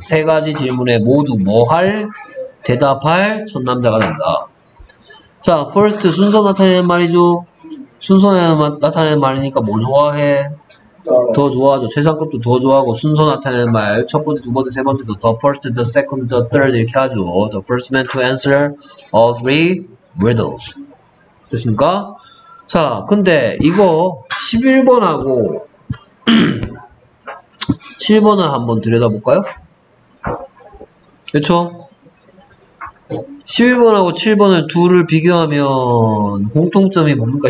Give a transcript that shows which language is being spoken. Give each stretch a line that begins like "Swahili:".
Korean: 세 가지 질문에 모두 뭐 할? 대답할 첫 남자가 된다. 자, first 순서 나타내는 말이죠. 순서 나타내는 말이니까 뭐 좋아해? 더 좋아하죠. 최상급도 더 좋아하고 순서 나타내는 말. 첫 번째, 두 번째, 세 번째도
English: the first, the second, the third
Korean: 이렇게 하죠.
English: The first man to answer all three riddles.
Korean: 됐습니까? 자, 근데 이거 11번하고 7번을 한번 들여다볼까요? 그쵸? 11번하고 7번을 둘을 비교하면 공통점이 뭡니까?